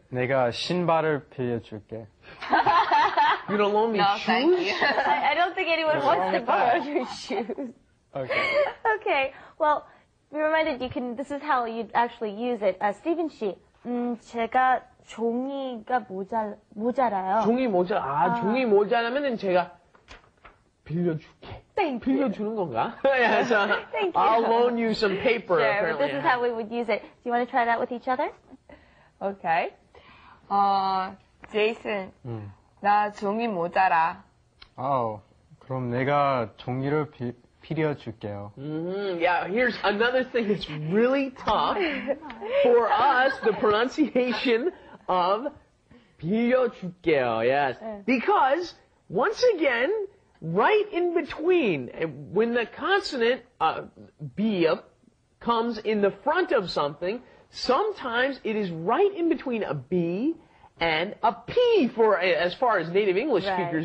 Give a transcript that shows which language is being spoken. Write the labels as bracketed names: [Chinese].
[Korean] 내가 신발을 빌려줄게. [English] You don't loan me no, shoes? Thank you. I don't think anyone no, wants to borrow your shoes. Okay. Okay. Well, be reminded, you can, this is how you'd actually use it. [Korean] Stephen Shi, 제가 종이가 모자라요. 종이 모자, 종이 모자라면 제가 빌려줄게. [English] Thank you. [Korean] 빌려주는 건가? [English] Yeah, so thank you. I'll loan you some paper, yeah, apparently. Yeah, but this is how we would use it. Do you want to try that with each other? [Korean] Okay. Jason, 나 종이 모자라. 아우, 그럼 내가 종이를 빌려줄게요. [English] Yeah, here's another thing that's really tough for us, the pronunciation of 빌려줄게요, yes. Because, once again, right in between, when the consonant B comes in the front of something, sometimes it is right in between a B and a P, for as far as native English speakers